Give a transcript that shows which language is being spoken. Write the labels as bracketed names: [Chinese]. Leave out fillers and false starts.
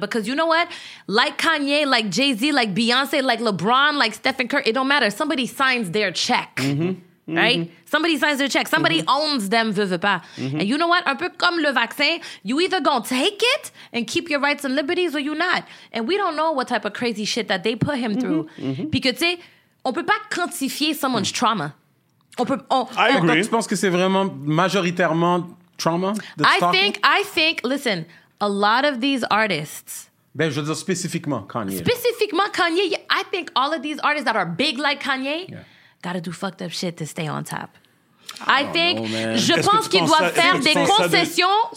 [English] Because you know what? Like Kanye, like Jay-Z, like Beyonce, like LeBron, like Stephen Curry, it don't matter. Somebody signs their check, right? Somebody signs their check. Somebody owns them, [French] veux, veux pas. [English] And you know what? [French] Un peu comme le vaccin, [English] you either gonna take it and keep your rights and liberties or you not. And we don't know what type of crazy shit that they put him through. [French] Puis que tu sais, on peut pas quantifier [English] someone's trauma. [French] Donc, tu penses que c'est vraiment majoritairement trauma? [English] I think, listen, a lot of these artists... [French] Ben, je veux dire spécifiquement Kanye. Spécifiquement Kanye. [English] I think all of these artists that are big like Kanye gotta do fucked up shit to stay on top. [French] Je pense qu'ils doivent faire des concessions de...